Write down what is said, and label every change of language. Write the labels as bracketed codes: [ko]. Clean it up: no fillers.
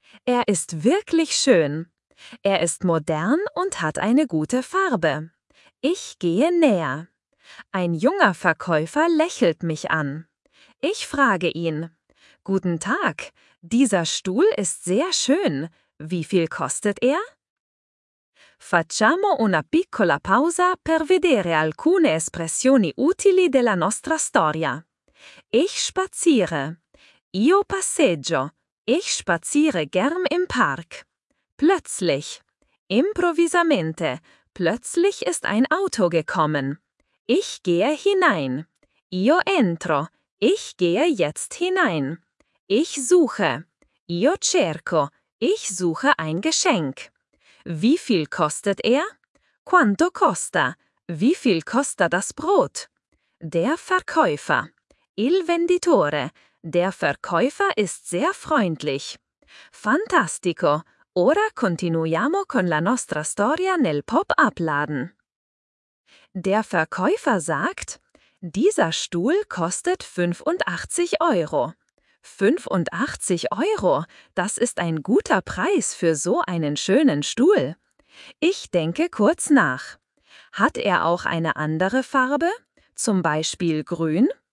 [de] Er ist wirklich schön. Er ist modern und hat eine gute Farbe. Ich gehe näher. Ein junger Verkäufer lächelt mich an. Ich frage ihn: Guten Tag, dieser Stuhl ist sehr schön. Wie viel kostet er? [it] Facciamo una piccola pausa per vedere alcune espressioni utili della nostra storia. [de] Ich spaziere. [it] Io passeggio. [de] Ich spaziere gern im Park. Plötzlich. [it] Improvvisamente. [de] Plötzlich ist ein Auto gekommen. Ich gehe hinein. [it] Io entro. [de] Ich gehe jetzt hinein. Ich suche. [it] Io cerco. [de] Ich suche ein Geschenk. Wie viel kostet er? [it] Quanto costa? [de] Wie viel [it] costa [de] das Brot? Der Verkäufer. [it] Il venditore. [de] Der Verkäufer ist sehr freundlich. [it] Fantastico. Ora continuiamo con la nostra storia nel Pop-up-Laden. [de] Der Verkäufer sagt, dieser Stuhl kostet 85 Euro. 85 Euro, das ist ein guter Preis für so einen schönen Stuhl. Ich denke kurz nach. Hat er auch eine andere Farbe, zum Beispiel grün?